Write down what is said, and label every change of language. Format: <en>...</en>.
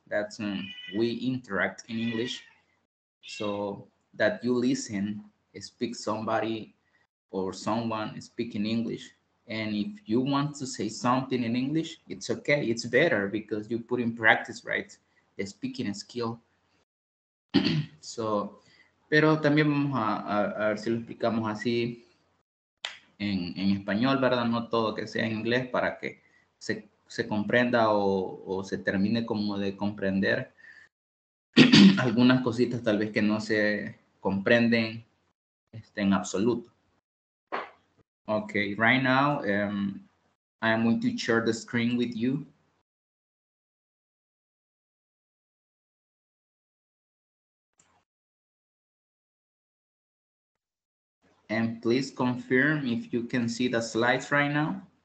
<en>That's we interact in English, so that you listen, speak somebody or someone speaking English. And if you want to say something in English, it's okay, it's better because you put in practice, right? The speaking skill.</en> <es>So, pero también vamos a ver si lo explicamos así en español, ¿verdad? No todo que sea en inglés para que se comprenda o se termine como de comprender algunas cositas tal vez que no se comprenden en absoluto.</es> <en>Okay, right now I am going to share the screen with you. And please confirm if you can see the slides right now.</en>